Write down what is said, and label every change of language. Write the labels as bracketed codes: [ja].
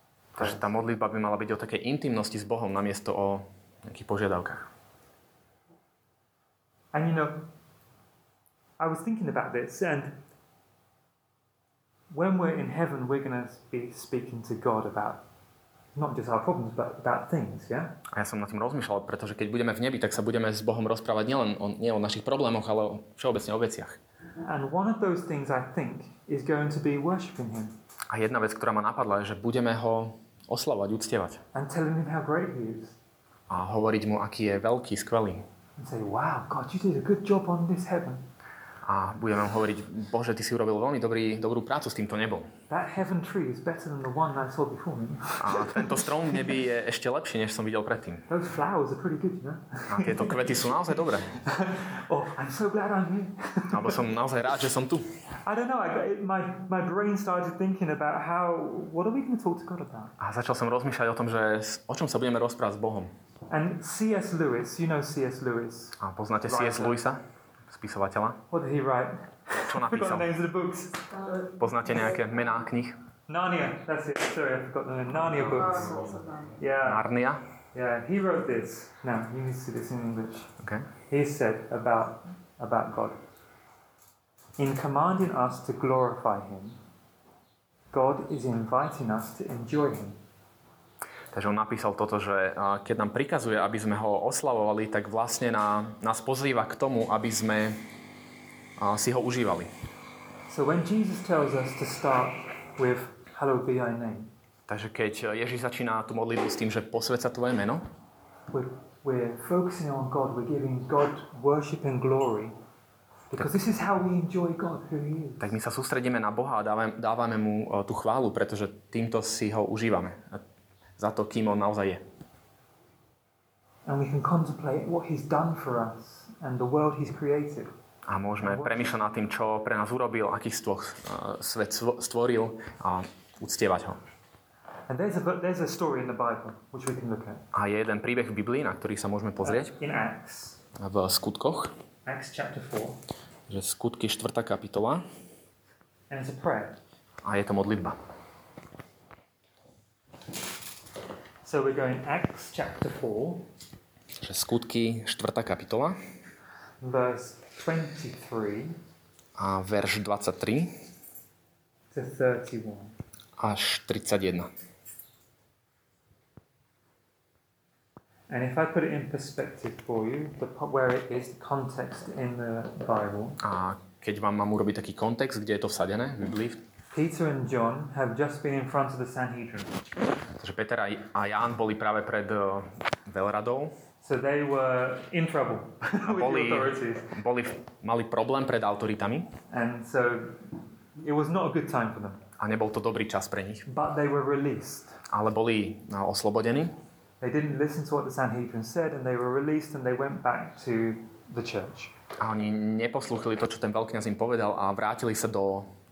[sk] Takže tá modlitba by mala byť o takej intimnosti s Bohom namiesto o nejakých požiadavkách. [en] And you know, I was thinking about this and when we're in heaven we're going to be speaking to God about not just our problems but about things, yeah? [sk] A ja som nad tým rozmýšľal, pretože keď budeme v nebi, tak sa budeme s Bohom rozprávať nielen nie o našich problémoch, ale všeobecne o veciach. [en] And one of those things I think is going to be worshiping him. [sk] A jedna vec, ktorá ma napadla, je, že budeme ho oslavovať, uctievať. [en] And telling him how great he is. [sk] A hovoriť mu, aký je veľký, skvelý. [en] And say, wow, God, you did a good job on this heaven. [sk] A budeme mu hovoriť, Bože, ty si urobil veľmi dobrú prácu s týmto nebom. [en] That heaven tree is better than the one I saw before me. [sk] A tento strom v nebi je ešte lepší, než som videl predtým. [en] Those flowers are pretty good, you know? [sk] A tieto kvety sú naozaj dobré. [en] Oh, I'm so glad I'm here. [sk] Alebo som naozaj rád, že som tu. [en] I don't know, my brain started thinking about how, what are we going to talk to God about? [sk] A začal som rozmýšľať o tom, že o čom sa budeme rozprávať s Bohom. [en] And C.S. Lewis, you know C.S. Lewis. [sk] A poznáte C.S. Lewisa? Spisovateľa. [en] What did he write? [sk] Čo napísal? [en] Forgot the names of the books. [sk] Poznáte nejaké mená knih? [en] Narnia, that's it. Sorry, I forgot the name. Narnia books. Yeah. Narnia. Yeah, he wrote this. Now, you need to see this in English. Okay. He said about God. In commanding us to glorify him, God is inviting us to enjoy him. [sk] Takže on napísal toto, že keď nám prikazuje, aby sme ho oslavovali, tak vlastne nás pozýva k tomu, aby sme si ho užívali. [en] So when Jesus tells us to start with hallowed be thy name. [sk] Takže keď Ježiš začína tú modlitbu s tým, že posväť sa tvoje meno. [en] We're focusing on God, we're giving God worship and glory. Because this is how we enjoy God, who he is. [sk] Tak my sa sústredíme na Boha a dávame mu tú chválu, pretože týmto si ho užívame. Za to, kým on naozaj je. [en] And we can contemplate what he's done for us and the world he's created. [sk] A môžeme premýšľať nad tým, čo pre nás urobil, aký svet stvoril a uctievať ho. [en] And there's a story in the Bible which we can look at. [sk] A je jeden príbeh v Biblii, na ktorý sa môžeme pozrieť. [en] In Acts. [sk] V Skutkoch. [en] Acts chapter 4. [sk] Že Skutky 4. kapitola. [en] And it's a prayer. [sk] A je to modlitba. [en] So we're going Acts chapter 4. [sk] Že Skutky 4. kapitola. [en] Verse 23. [sk] A verš 23. [en] To 31. [sk] Až 31. [en] And if I put it in perspective for you, where it is, the context in the Bible. [sk] A keď vám mám urobiť taký kontext, kde je to vsadené v Biblii? [en] Peter and John have just been in front of the Sanhedrin. [sk] Takže Peter a Ján boli práve pred veľradou. [en] So they were in trouble with the authorities. [sk] Mali problém pred autoritami. [en] And so it was not a good time for them. [sk] A nebol to dobrý čas pre nich. [en] But they were released. [sk] Ale boli oslobodení. [en] They didn't listen to what the Sanhedrin said and they were released and they went back to the church. [sk] A oni neposlúchali to, čo ten veľkňaz im povedal a vrátili sa do